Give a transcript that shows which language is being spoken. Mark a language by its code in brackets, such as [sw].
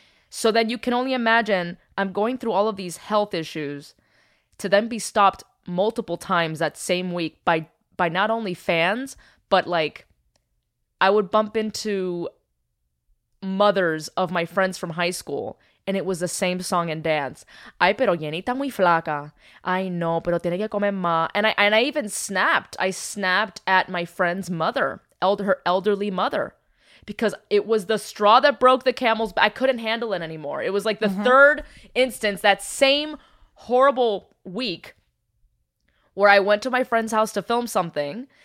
[en] So then you can only imagine, I'm going through all of these health issues to then be stopped multiple times that same week by not only fans, but like I would bump into mothers of my friends from high school. And it was the same song and dance. [es] Ay, pero llenita muy flaca. Ay, no, pero tiene que comer más. [en] And I even snapped. I snapped at my friend's mother, her elderly mother. Because it was the straw that broke the camel's back. I couldn't handle it anymore. It was like the third instance, that same horrible week, where I went to my friend's house to film something.